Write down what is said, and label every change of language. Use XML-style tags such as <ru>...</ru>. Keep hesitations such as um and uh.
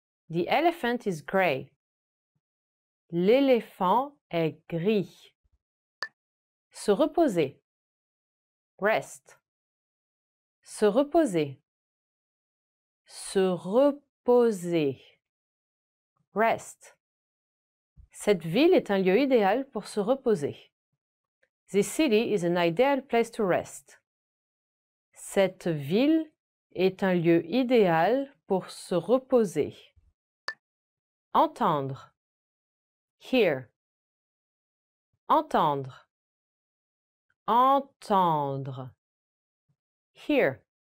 <en>The elephant is gray.</en> <fr>L'éléphant est gris. Se reposer.</fr> <en>Rest.</en> <fr>Se reposer. Se reposer.</fr> <en>Rest.</en> <fr>Cette ville est un lieu idéal pour se reposer.</fr> <en>This city is an ideal place to rest.</en> <fr>Cette ville est un lieu idéal pour se reposer. Entendre.</fr> <en>Hear.</en> <fr>Entendre. Entendre.</fr> <en>Hear.</en>